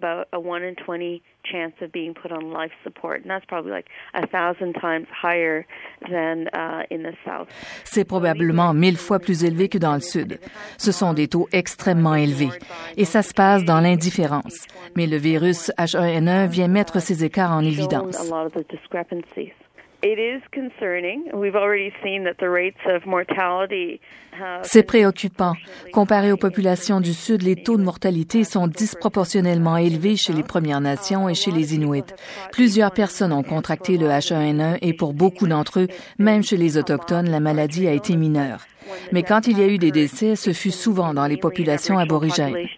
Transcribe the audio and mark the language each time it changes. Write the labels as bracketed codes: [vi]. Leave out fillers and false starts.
[en] Chance of being put on life support, and that's probably like 1,000 times higher than in the south. [fr] C'est probablement 1,000 fois plus élevé que dans le sud. Ce sont des taux extrêmement élevés, et ça se passe dans l'indifférence. Mais le virus H1N1 vient mettre ces écarts en évidence. [en] A lot of the discrepancies. It is concerning. We've already seen that the rates of mortality. [fr] C'est préoccupant. Comparé aux populations du Sud, les taux de mortalité sont disproportionnellement élevés chez les Premières Nations et chez les Inuits. Plusieurs personnes ont contracté le H1N1 et pour beaucoup d'entre eux, même chez les Autochtones, la maladie a été mineure. Mais quand il y a eu des décès, ce fut souvent dans les populations aborigènes.